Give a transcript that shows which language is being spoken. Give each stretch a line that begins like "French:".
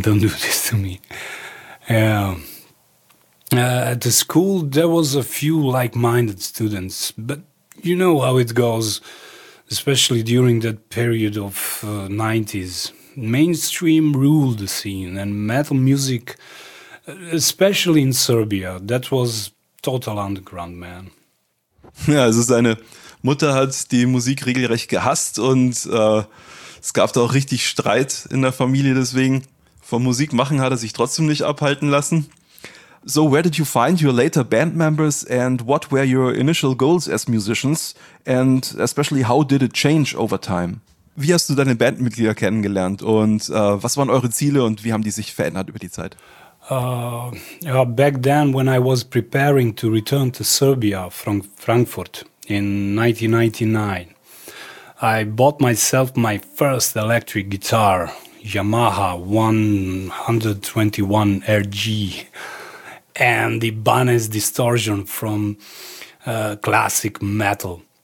English: Don't do this to me. Yeah. At the school, there was a few like-minded students. But you know how it goes, especially during that period of 90s. Mainstream ruled the scene and metal music, especially in Serbia, that was total underground, man.
German: Ja, also seine Mutter hat die Musik regelrecht gehasst und es gab da auch richtig Streit in der Familie, deswegen vom Musikmachen hat er sich trotzdem nicht abhalten lassen.
English: So, where did you find your later band members and what were your initial goals as musicians and especially how did it change over time?
German: Wie hast du deine Bandmitglieder kennengelernt und was waren eure Ziele und wie haben die sich verändert über die Zeit?
English: Back then, when I was preparing to return to Serbia from Frankfurt in 1999, I bought myself my first electric guitar, Yamaha 121 RG, and the Ibanez distortion from classic metal.